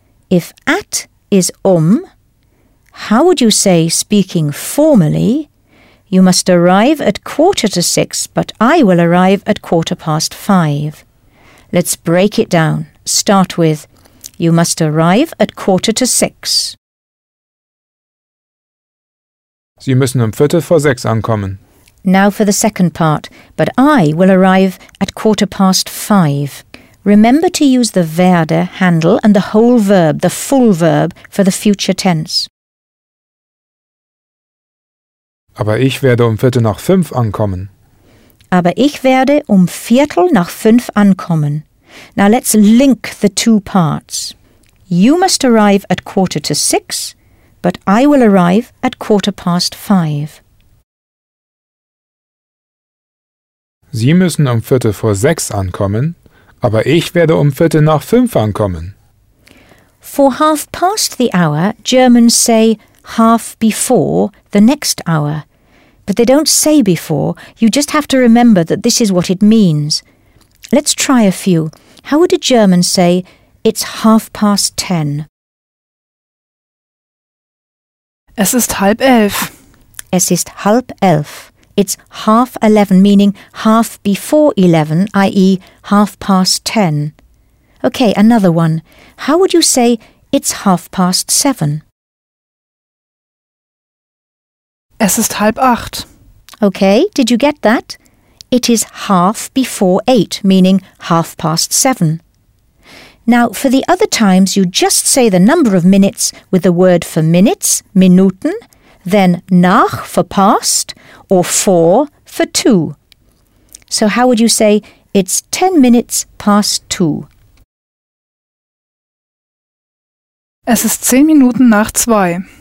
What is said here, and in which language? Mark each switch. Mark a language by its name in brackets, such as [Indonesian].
[English] If at is how would you say, speaking formally, you must arrive at quarter to six, but I will arrive at quarter past five. Let's break it down. Start with, you must arrive at quarter to six. [German] Sie müssen Viertel vor sechs ankommen. [English] Now for the second part, but I will arrive at quarter past five. Remember to use the werde handle and the whole verb, the full verb, for the future tense. [German] Aber ich werde Viertel nach fünf ankommen. Aber ich werde Viertel nach fünf ankommen. [English] Now let's link the two parts. You must arrive at quarter to six, but I will arrive at quarter past five. [German] Sie müssen Viertel vor sechs ankommen, aber ich werde Viertel nach fünf ankommen. [English] For half past the hour, Germans say half before the next hour. But they don't say before, you just have to remember that this is what it means. Let's try a few. How would a German say, it's half past ten? [German] Es ist halb elf. Es ist halb elf. [English] It's half 11, meaning half before 11, i.e. half past ten. Okay, another one. How would you say, it's half past seven? [German] Es ist halb acht. [English] Okay, did you get that? It is half before eight, meaning half past seven. Now, for the other times, you just say the number of minutes with the word for minutes, minuten, then nach for past, or for two. So how would you say, it's 10 minutes past two? [German] Es ist 10 Minuten nach zwei.